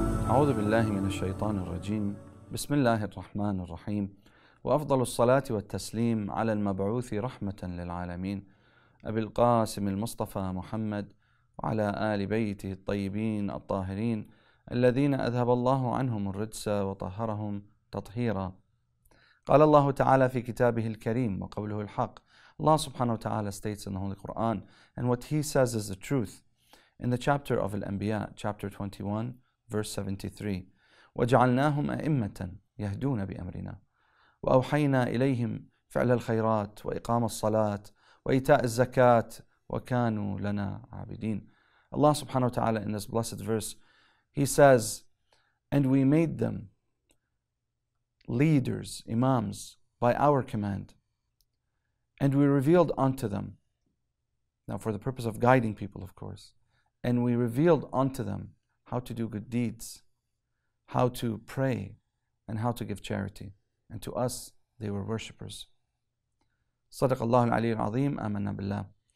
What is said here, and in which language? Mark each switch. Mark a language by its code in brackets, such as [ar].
[ar] أعوذ بالله من الشيطان الرجيم بسم الله الرحمن الرحيم وأفضل الصلاة والتسليم على المبعوث رحمة للعالمين أبي القاسم المصطفى محمد وعلى آل بيته الطيبين الطاهرين الذين أذهب الله عنهم الرجس وطهرهم تطهيرا. قال الله تعالى في كتابه الكريم وقوله الحق. [en] Allah subhanahu wa ta'ala states in the Holy Quran, and what he says is the truth, in the chapter of Al-Anbiya, chapter 21, verse 73, [ar] وَجَعَلْنَاهُمْ أَئِمَّةً يَهْدُونَ بِأَمْرِنَا وَأَوْحَيْنَا إِلَيْهِمْ فِعْلَ الْخَيْرَاتِ وَإِقَامَ الصَّلَاةِ وَإِيتَاءِ الزَّكَاةِ وَكَانُوا لَنَا عَابِدِينَ. [en] Allah subhanahu wa ta'ala in this blessed verse, he says, and we made them leaders, imams, by our command. And we revealed unto them, now for the purpose of guiding people, of course, and we revealed unto them how to do good deeds, how to pray, and how to give charity. And to us, they were worshippers. [ar] صدق الله العلي العظيم آمنا بالله.